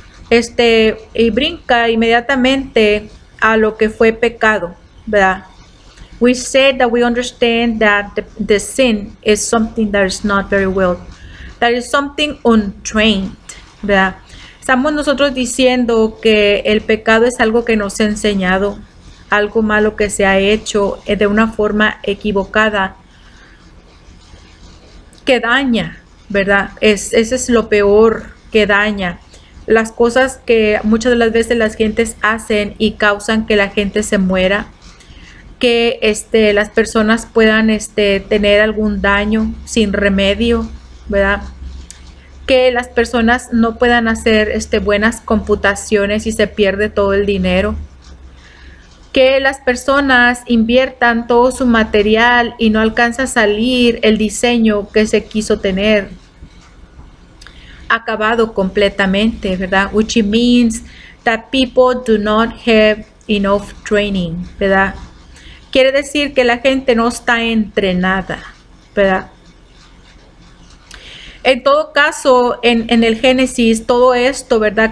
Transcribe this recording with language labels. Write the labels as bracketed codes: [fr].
[es] Y brinca inmediatamente a lo que fue pecado, ¿verdad? [en] We said that we understand that the sin is something that is not very well, that is something untrained, ¿verdad? [es] Estamos nosotros diciendo que el pecado es algo que nos ha enseñado, algo malo que se ha hecho de una forma equivocada, que daña, ¿verdad? Ese es lo peor que daña. Las cosas que muchas de las veces las gentes hacen y causan que la gente se muera, que las personas puedan tener algún daño sin remedio, ¿verdad? Que las personas no puedan hacer buenas computaciones y se pierde todo el dinero. Que las personas inviertan todo su material y no alcanza a salir el diseño que se quiso tener acabado completamente, ¿verdad? [en] Which it means that people do not have enough training, ¿verdad? [es] Quiere decir que la gente no está entrenada, ¿verdad? En todo caso, en el Génesis, todo esto, ¿verdad?